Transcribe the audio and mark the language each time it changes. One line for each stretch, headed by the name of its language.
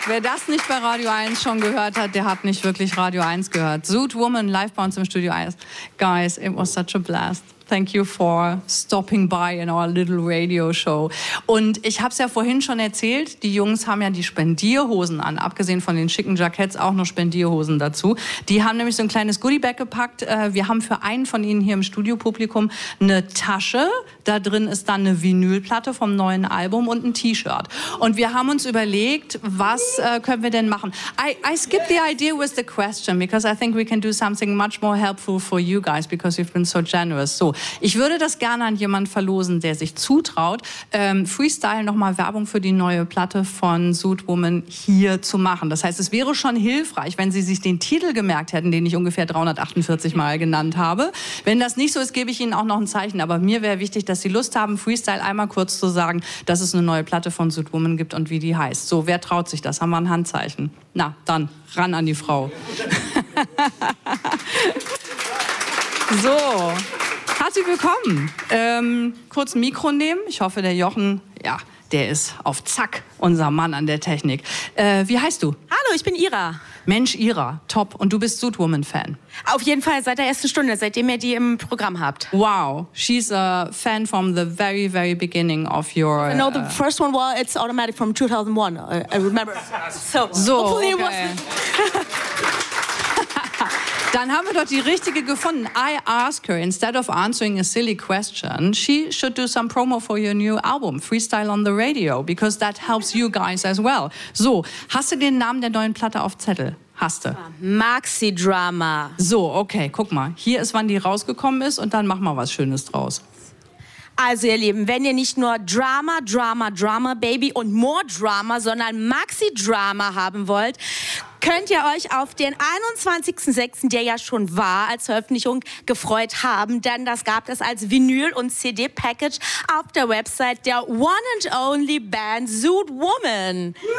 German: Wer das nicht bei Radio 1 schon gehört hat, der hat nicht wirklich Radio 1 gehört. Zoot Woman, live bei uns im Studio 1.
English: Guys, it was such a blast. Thank you for stopping by in our little radio show.
German: Und ich habe es ja vorhin schon erzählt, die Jungs haben ja die Spendierhosen an, abgesehen von den schicken Jackets auch noch Spendierhosen dazu. Die haben nämlich so ein kleines Goodiebag gepackt. Wir haben für einen von ihnen hier im Studiopublikum eine Tasche. Da drin ist dann eine Vinylplatte vom neuen Album und ein T-Shirt. Und wir haben uns überlegt, was können wir denn machen?
English: I skip the idea with the question, because I think we can do something much more helpful for you guys, because you've been so generous.
German: So, ich würde das gerne an jemanden verlosen, der sich zutraut, Freestyle nochmal Werbung für die neue Platte von Zoot Woman hier zu machen. Das heißt, es wäre schon hilfreich, wenn Sie sich den Titel gemerkt hätten, den ich ungefähr 348 Mal genannt habe. Wenn das nicht so ist, gebe ich Ihnen auch noch ein Zeichen. Aber mir wäre wichtig, dass Sie Lust haben, Freestyle einmal kurz zu sagen, dass es eine neue Platte von Zoot Woman gibt und wie die heißt. So, wer traut sich das? Haben wir ein Handzeichen? Na, dann ran an die Frau. So, herzlich willkommen. Kurz ein Mikro nehmen. Ich hoffe, der Jochen, ja, der ist auf Zack, unser Mann an der Technik. Wie heißt du? Hallo, ich bin Ira. Mensch, Ira, top. Und du bist Suitwoman-Fan? Auf jeden Fall seit der ersten Stunde, seitdem ihr die im Programm habt.
English: Wow, she's a fan from the very, very beginning of your... No, the first one, well, it's automatic from 2001, I remember. So, hopefully okay. It wasn't...
German: Dann haben wir doch die Richtige gefunden.
English: I ask her, instead of answering a silly question, she should do some promo for your new album, Freestyle on the Radio, because that helps you guys as well.
German: So, hast du den Namen der neuen Platte auf Zettel? Hast du? Maxi Drama. So, okay, guck mal. Hier ist, wann die rausgekommen ist und dann machen wir was Schönes draus. Also ihr Lieben, wenn ihr nicht nur Drama, Drama, Drama, Baby und more Drama, sondern Maxi Drama haben wollt, könnt ihr euch auf den 21.06., der ja schon war, als Veröffentlichung gefreut haben, denn das gab es als Vinyl- und CD-Package auf der Website der one and only Band Suitwoman.